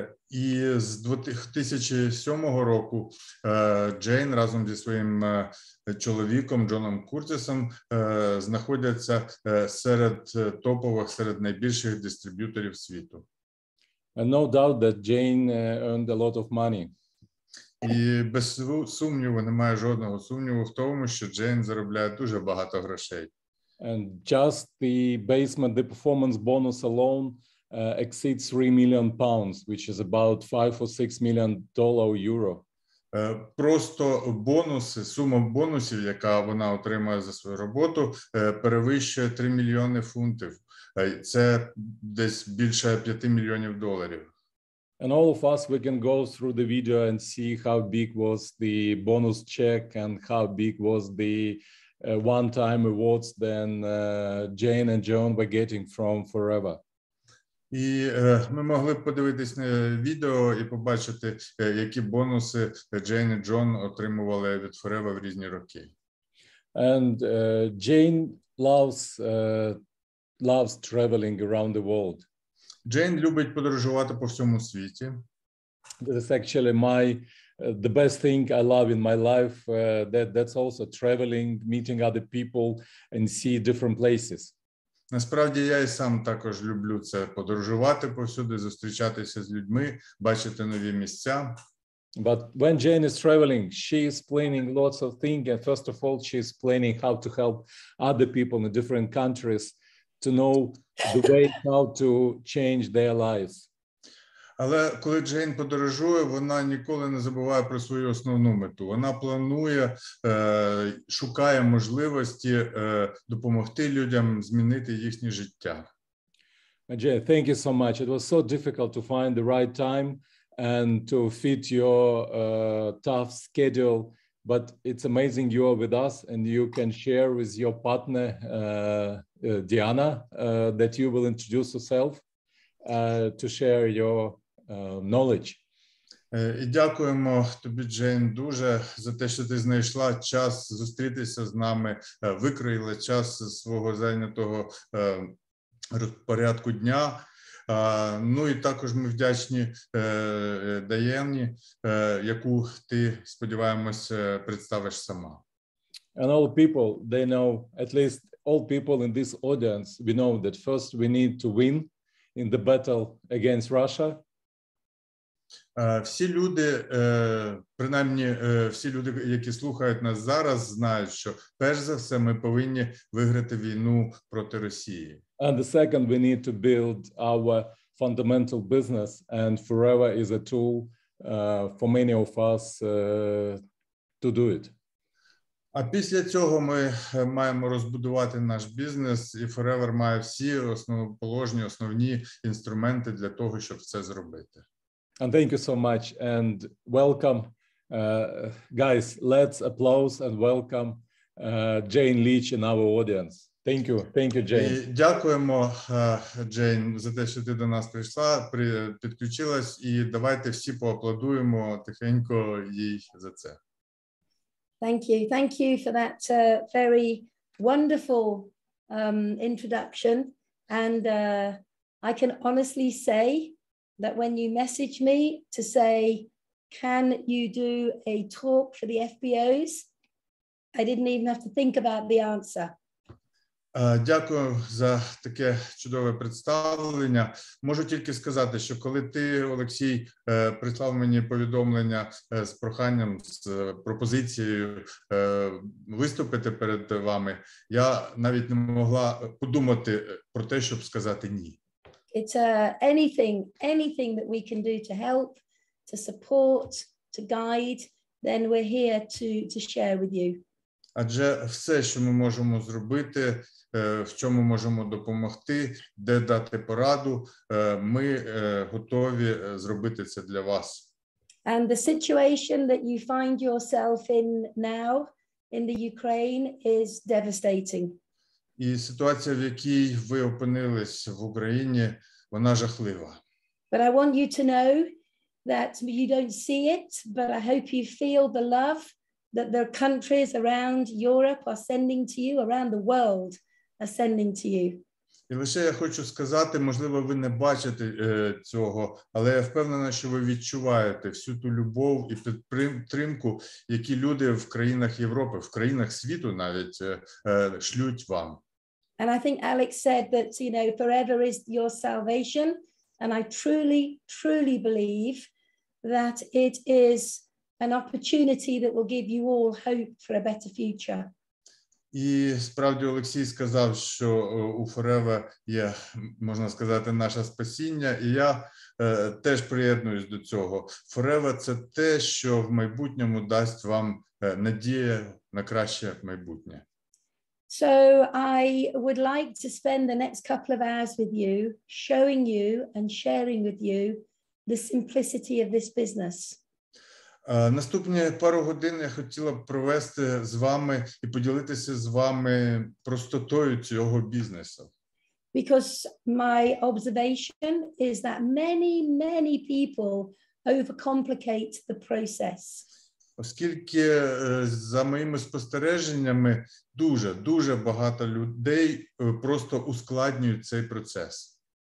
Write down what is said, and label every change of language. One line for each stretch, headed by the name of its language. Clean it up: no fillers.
Ukrainian: І з 2007 року Джейн разом зі своїм чоловіком Джоном Куртісом знаходяться серед топових, серед найбільших дистриб'юторів світу.
English: And no doubt that Jane earned a lot of money.
Ukrainian: І без сумніву, немає жодного сумніву в тому, що Джейн заробляє дуже багато грошей.
English: And just the basement, the performance bonus alone exceeds 3 million pounds, which is about 5 or 6 million dollars or euro.
Ukrainian: Просто бонуси, сума бонусів, яка вона отримує за свою роботу, перевищує 3 мільйони фунтів. Це десь більше 5 мільйонів доларів.
English: And all of us, we can go through the video and see how big was the bonus check and how big was the one-time awards than Jane and John were getting from Forever.
Ukrainian: І ми могли б подивитись на відео і побачити, які бонуси Джейн і Джон отримували від Forever в різні роки.
English: And Jane loves traveling around the world.
Ukrainian: Джейн любить подорожувати по всьому світі.
English: That's actually my the best thing I love in my life, that's also traveling, meeting other people and see different places.
Ukrainian: Насправді, я і сам також люблю це – подорожувати повсюди, зустрічатися з людьми, бачити нові місця.
English: But when Jane is traveling, she is planning lots of things. And first of all, she is planning how to help other people in different countries to know the way how to change their lives.
Ukrainian: Але коли Джейн подорожує, вона ніколи не забуває про свою основну мету. Вона планує, шукає можливості допомогти людям змінити їхнє життя.
English: Джейн, thank you so much. It was so difficult to find the right time and to fit your tough schedule, but it's amazing you are with us and you can share with your partner Diana that you will introduce yourself to share your knowledge.
Ukrainian: І дякуємо тобі, Джейн, дуже за те, що ти знайшла час зустрітися з нами, викроїла час зі свого зайнятого порядку дня. Ну і також ми вдячні Даяні, яку ти, сподіваємось, представиш сама.
English: And all people, they know, at least all people in this audience, we know that first we need to win in the battle against Russia.
Ukrainian: Всі люди, принаймні всі люди, які слухають нас зараз, знають, що перш за все ми повинні виграти війну проти Росії.
English: And the second, we need to build our fundamental business, and Forever is a tool for many of us to do it.
Ukrainian: А після цього ми маємо розбудувати наш бізнес, і Forever має всі основоположні, основні інструменти для того, щоб це зробити.
English: And thank you so much, and welcome, guys, let's applause and welcome Джейн Ліч in our audience. Thank you, Джейн.
Ukrainian: Дякуємо, Джейн, за те, що ти до нас прийшла, підключилась, і давайте всі поаплодуємо тихенько їй за це.
English: Thank you for that very wonderful introduction, and I can honestly say that when you message me to say, can you do a talk for the FBOs, I didn't even have to think about the answer.
Ukrainian: Дякую за таке чудове представлення. Можу тільки сказати, що коли ти, Олексій, прислав мені повідомлення з проханням, з пропозицією виступити перед вами, я навіть не могла подумати про те, щоб сказати ні.
English: It's anything that we can do to help, to support, to guide, then we're here to share with you.
Ukrainian: Адже все, що ми можемо зробити, в чому можемо допомогти, де дати пораду, ми готові зробити це для вас.
English: And the situation that you find yourself in now in the Ukraine is devastating.
Ukrainian: І ситуація, в якій ви опинились в Україні, вона жахлива.
English: But I want you to know that you don't see it, but I hope you feel the love that the countries around Europe are sending to you, around the world are sending to you.
Ukrainian: І лише я хочу сказати, можливо, ви не бачите цього, але я впевнена, що ви відчуваєте всю ту любов і підтримку, які люди в країнах Європи, в країнах світу навіть шлють вам.
English: And I think Alex said that, you know, Forever is your salvation, and I truly, truly believe that it is an opportunity that will give you all hope for a better future.
Ukrainian: І справді Олексій сказав, що у Forever є, можна сказати, наше спасіння, і я теж приєднуюсь до цього. Forever – це те, що в майбутньому дасть вам надію на краще майбутнє.
English: So I would like to spend the next couple of hours with you, showing you and sharing with you the simplicity of this business.
Ukrainian: Наступні пару годин я хотіла б провести з вами і поділитися з вами простотою цього бізнесу.
English: Because my observation is that many, many people overcomplicate the process.
Ukrainian: Оскільки за моїми спостереженнями дуже, дуже багато людей просто ускладнюють цей процес.